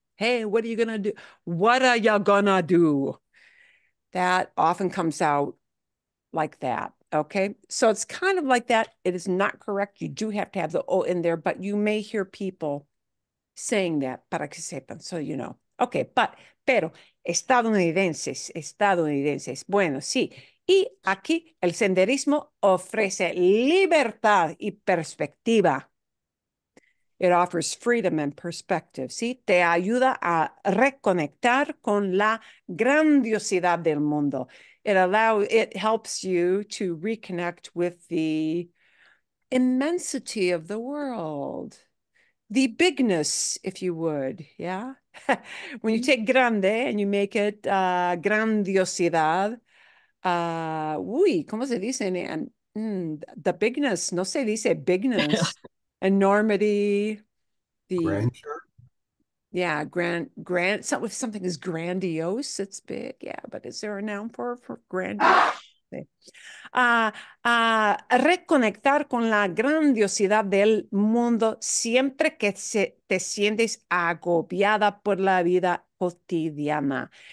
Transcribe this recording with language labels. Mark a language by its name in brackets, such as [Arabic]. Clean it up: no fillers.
[English] Hey, what are you gonna do? What are you gonna do? That often comes out like that, okay? So it's kind of like that. It is not correct. You do have to have the O in there, but you may hear people saying that, [Spanish] para que sepan, [English] so you know. [Spanish] Okay, but, pero, estadounidenses, estadounidenses. Bueno, sí. Y aquí el senderismo ofrece libertad y perspectiva. [English] It offers freedom and perspective, [Spanish] sí. Te ayuda a reconectar con la grandiosidad del mundo. [English] It helps you to reconnect with the immensity of the world. The bigness, if you would, yeah? When you take grande and you make it grandiosidad, [Spanish] uy, ¿cómo se dice? [English] The bigness, [Spanish] no se dice [English] bigness. Enormity. Grandeur? Yeah, grand. So if something is grandiose, it's big. Yeah, but is there a noun for grandiose? [Spanish] reconectar con la grandiosidad del mundo siempre que te sientes agobiada por la vida cotidiana.